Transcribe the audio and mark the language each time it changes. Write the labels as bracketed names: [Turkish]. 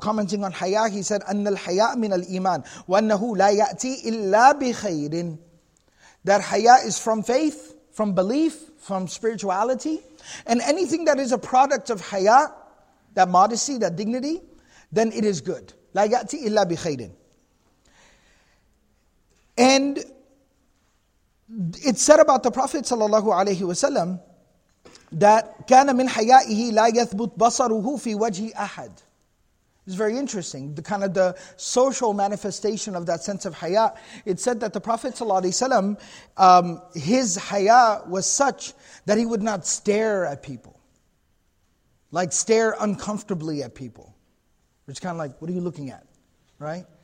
[English] Commenting on haya, he said, [Arabic] "Anna al haya min al iman, wa annahu la yati illa bi khairin." [English] That haya is from faith, from belief, from spirituality. And anything that is a product of haya, that modesty, that dignity, then it is good. [Arabic] لا يأتي إلا بخيرٍ. [English] And it's said about the Prophet ﷺ that [Arabic] كان من حيائه لا يثبت بصره في وجه أحد. [English] It's very interesting. The kind of the social manifestation of that sense of haya. It said that the Prophet ﷺ, his haya was such that he would not stare at people. Like stare uncomfortably at people. It's kind of like, what are you looking at? Right?